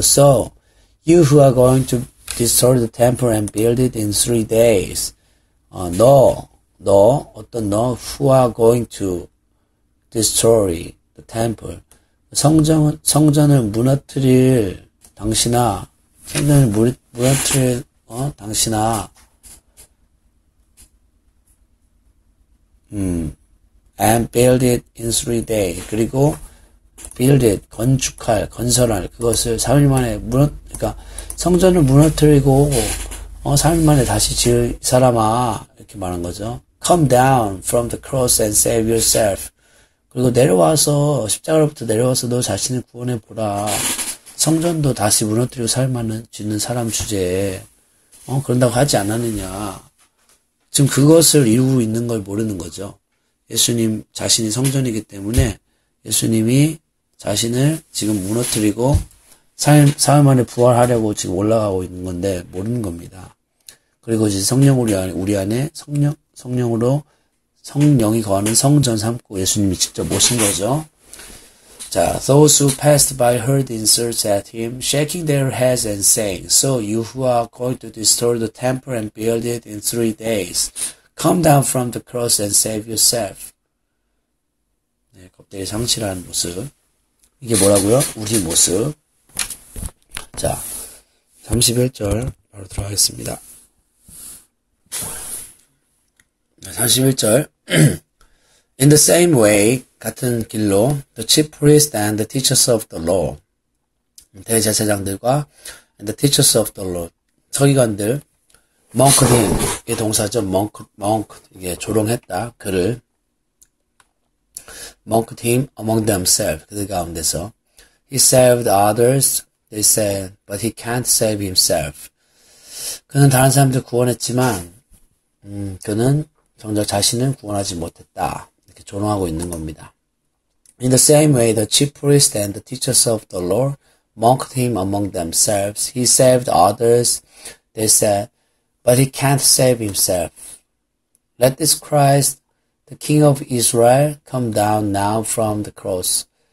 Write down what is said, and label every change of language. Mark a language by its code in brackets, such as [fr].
[en] So, you who are going to destroy the temple and build it in 3 days, 너, who are going to destroy the temple, [ko] 성전을 무너뜨릴 당신아, 성전을 무너뜨릴 당신아, [en] and build it in 3 days. [ko] 그리고 [en] build it, [ko] 건설할 그것을 3일 만에 그러니까 성전을 무너뜨리고 3일 만에 다시 지을 사람아, 이렇게 말한 거죠. [en] Come down from the cross and save yourself. [ko] 그리고 내려와서 십자가로부터 내려와서 너 자신을 구원해 보라. 성전도 다시 무너뜨리고 살만은 짓는 사람 주제에 그런다고 하지 않았느냐. 지금 그것을 이루고 있는 걸 모르는 거죠. 예수님 자신이 성전이기 때문에 예수님이 자신을 지금 무너뜨리고 사흘 만에 부활하려고 지금 올라가고 있는 건데 모르는 겁니다. 그리고 이제 성령 우리 안에 성령으로 성령이 거하는 성전 삼고 예수님이 직접 오신 거죠. [en] 자, those who passed by heard insults at him, shaking their heads and saying, "So you who are going to destroy the temple and build it in 3 days, come down from the cross and save yourself." [ko] 네, 겁대기 상실한 모습. 이게 뭐라고요? 우리 모습. 자, 31절 바로 들어가겠습니다. [en] 31절 In the same way, [ko] 같은 길로 [en] the chief priest and the teachers of the law [ko] 대제사장들과 [en] and the teachers of the law [ko] 서기관들 [en] monked him [ko] 이게 동사죠. monk 이게 조롱했다. 그를 [en] monked him among themselves [ko] 그들 가운데서 [en] he saved others They said, but he can't save himself. [ko] 그는 다른 사람들 구원했지만, 그는 정작 자신은 구원하지 못했다. 이렇게 조롱하고 있는 겁니다. [en] In the same way, the chief priests and the teachers of the law mocked him among themselves. He saved others. They said, but he can't save himself. Let this Christ, the King of Israel, come down now from the cross.